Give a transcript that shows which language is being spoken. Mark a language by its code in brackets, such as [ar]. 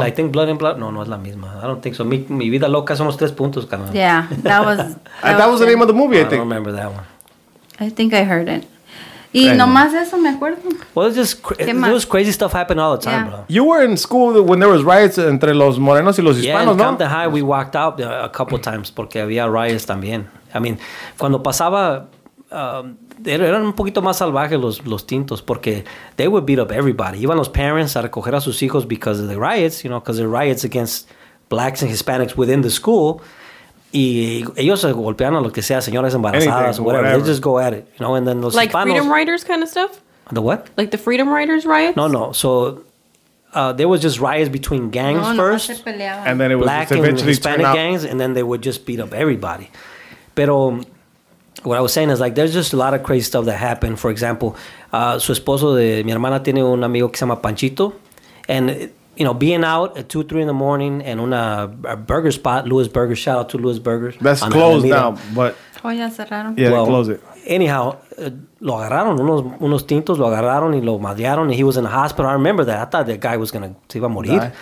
[en] I think Blood and Blood. [es] No, es la misma. [en] I don't think so. Mi Vida Loca [es] somos tres puntos, carnal. [en] Yeah, that was that was the name of the movie, I think. I don't remember that one. I think I heard it. [es] Y nomás eso me acuerdo. [en] Well, it's just those crazy stuff happened all the time, bro. You were in school when there was riots [es] entre los morenos y los hispanos, ¿no? [en] Yeah, in Compton High, we walked out a couple of times [es] porque había riots también. I mean, cuando pasaba... eran un poquito más salvajes los tintos porque [en] they would beat up everybody. [es] Iban los parents a recoger a sus hijos [en] because of the riots, you know, because the riots against blacks and Hispanics within the school. [es] Y ellos golpean a lo que sea, señoras embarazadas, [en] anything, whatever. They just go at it, you know, and then los like [es] hispanos, [en] Freedom Riders kind of stuff? The what? Like the Freedom Riders riots? No. So there was just riots between gangs first. And then it was black and Hispanic gangs, and then they would just beat up everybody. [es] Pero... [en] what I was saying is, like, there's just a lot of crazy stuff that happened. [es] For example, su esposo de mi hermana tiene un amigo que se llama Panchito. [en] And, you know, being out at 2, 3 in the morning and a burger spot, Lewis Burger. Shout out to Lewis Burger. That's closed now, but... [es] Oh, ya cerraron. [en] Yeah, well, close it. [es] Anyhow, lo agarraron unos tintos, lo agarraron y lo madrearon, [en] and he was in the hospital. I remember that. I thought that guy was [es] iba a morir.